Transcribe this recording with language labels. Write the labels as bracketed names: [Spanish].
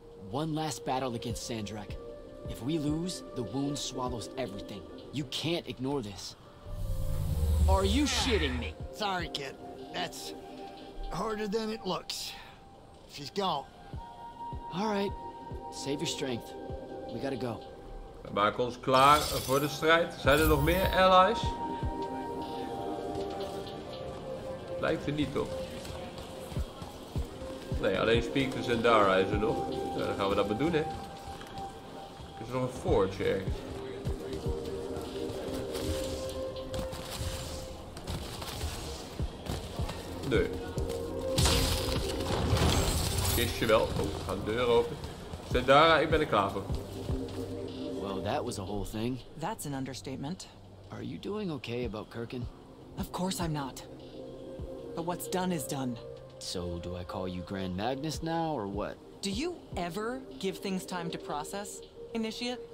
[English] One last battle against Sandrak. If we lose, the wound swallows everything. You can't ignore this. Are you shitting me? Sorry, kid. That's harder than it looks. She's gone. All right, save your strength. We gotta go. [Dutch] We maken ons klaar voor de strijd. Zijn er nog meer allies? Lijkt er niet, toch? Nee, alleen Speakers en Dara is er nog. Ja, dan gaan we dat maar doen, hè. Is er nog een forge ergens? Nee. Kistje wel. Oh, gaan de deur open. Sindara, ik ben er klaar voor. [English] Well, that was a whole thing. That's an understatement. Are you doing okay about Kirkin? Of course I'm not. But what's done is done. So, do I call you Grand Magnus now, or what? Do you ever give things time to process, Initiate?